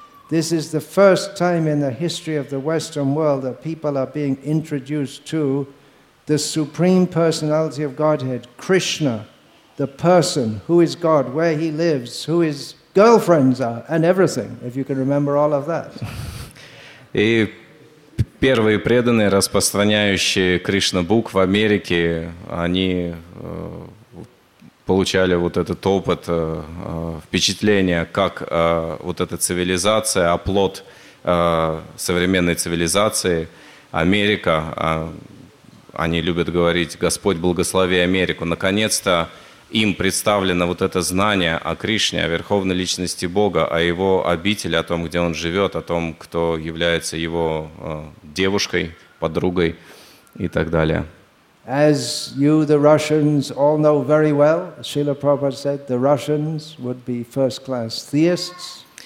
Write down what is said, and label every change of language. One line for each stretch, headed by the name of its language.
English: This is the first time in the history of the Western world that people are being introduced to the Supreme Personality of Godhead, Krishna, the person, who is God, where he lives, who his girlfriends are, and everything, if you can remember all of that.
Russian: И первые преданные, распространяющие Krishna Book в Америке, они получали вот этот опыт, впечатление, как вот эта цивилизация, оплот современной цивилизации, Америка, они любят говорить, Господь благослови Америку, наконец-то им представлено вот это знание о Кришне, о Верховной Личности Бога, о Его обители, о том, где Он живет, о том, кто является Его девушкой, подругой и так далее.
English: As you, the Russians, all know very well, Srila Prabhupada said, the Russians would be first-class theists.